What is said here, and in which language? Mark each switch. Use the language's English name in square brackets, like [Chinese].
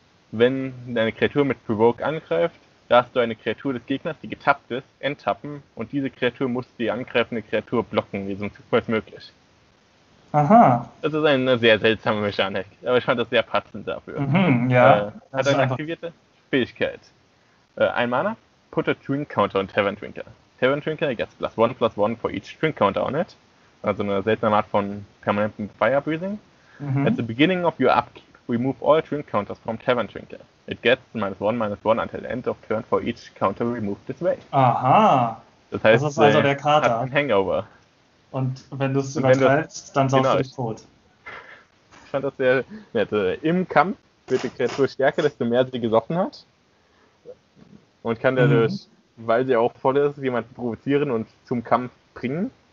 [German] Wenn deine Kreatur mit Provoke angreift, darfst du eine Kreatur des Gegners, die getappt ist, enttappen und diese Kreatur muss die angreifende Kreatur blocken, wie so viel als möglich. Aha. Das ist eine sehr seltsame Mechanik, aber ich fand das sehr passend dafür. Mhm, ja. Hat eine aktivierte Fähigkeit. Ein Mana, [English] put a Drink Counter on Tavern Drinker. Tavern Drinker gets +1/+1 for each Drink Counter on it. [German] Also eine seltene Art von permanentem Fire Breathing. Mhm. [English] At the beginning of your upkeep, remove all Drink Counters from Tavern Drinker. It gets -1/-1 until end of turn for each counter removed this way. [German] Aha. Das heißt, das ist also der Kater. Hat ein Hangover. Und wenn du es übertreibst, dann saufst du dich tot. Ich fand das sehr nett. Im Kampf wird die Kreatur stärker, desto mehr sie gesoffen hat. Und kann dadurch, weil sie auch voll ist, jemanden provozieren und zum Kampf bringen.